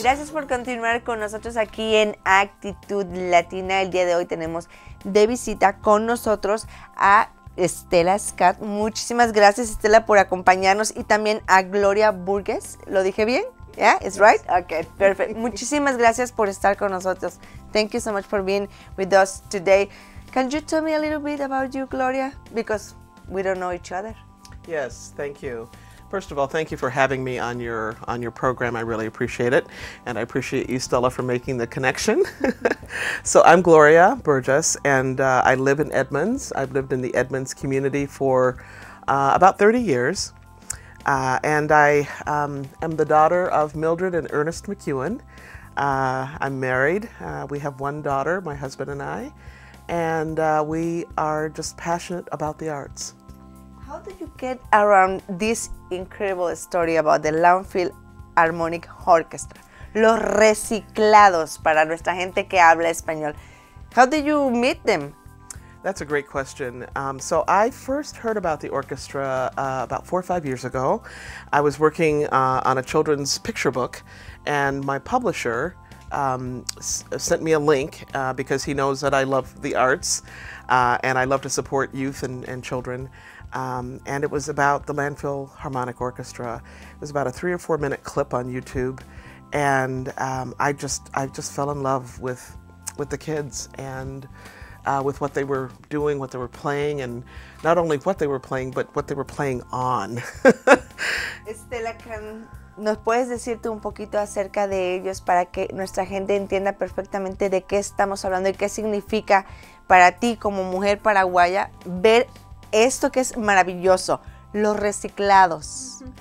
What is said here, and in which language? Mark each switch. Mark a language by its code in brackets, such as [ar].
[es] Gracias por continuar con nosotros aquí en Actitud Latina. El día de hoy tenemos de visita con nosotros a Estela Scott. Muchísimas gracias, Estela, por acompañarnos, y también a Gloria Burgess. ¿Lo dije bien? [en] Yeah, it's right. Okay, perfect. [es] Muchísimas gracias por estar con nosotros. [en] Thank you so much for being with us today. Can you tell me a little bit about you, Gloria? Because we don't know each other. Yes, thank you. First of all, thank you for having me on your program. I really appreciate it. And I appreciate you, Stella, for making the connection. So I'm Gloria Burgess, and I live in Edmonds. I've lived in the Edmonds community for about 30 years. And I am the daughter of Mildred and Ernest McEwen. I'm married. We have one daughter, my husband and I. And we are just passionate about the arts. How did you get around this incredible story about the Landfill Harmonic Orchestra? [es] Los reciclados, para nuestra gente que habla español. [en] How did you meet them? That's a great question. So I first heard about the orchestra about 4 or 5 years ago. I was working on a children's picture book, and my publisher sent me a link because he knows that I love the arts and I love to support youth and children. And it was about the Landfill Harmonic Orchestra. It was about a 3 or 4 minute clip on YouTube, and I just fell in love with the kids and with what they were doing, what they were playing, and not only what they were playing, but what they were playing on. [es] Estela, ¿nos puedes decirte un poquito acerca de ellos para que nuestra gente entienda perfectamente de qué estamos hablando y qué significa para ti como mujer paraguaya ver esto que es maravilloso, los reciclados?